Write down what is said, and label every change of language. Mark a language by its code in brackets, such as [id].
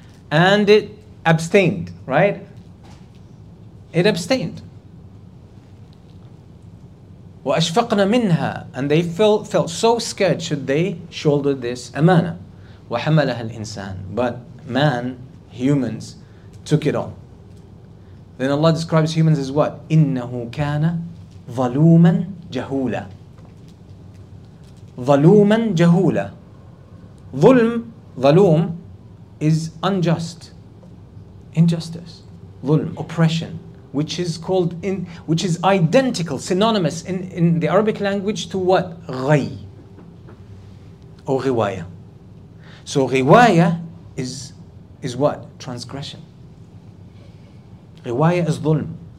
[en] And it abstained, right? It abstained. [ar] وَأَشْفَقْنَا مِنْهَا [en] And they felt so scared should they shoulder this amana. [ar] وَحَمَلَهَا الْإِنسَانِ [en] But man, humans, took it on. Then Allah describes humans as what? [ar] إِنَّهُ كَانَ ظَلُومًا جَهُولًا ظَلُومًا جَهُولًا ظُلْم, ظَلُوم [en] is unjust, injustice, [ar] ظُلْم, oppression. [en] Which is called in, which is identical, synonymous in the Arabic language to what? Ghay or riwaya. So riwaya is what? Transgression. Riwaya is dhulm.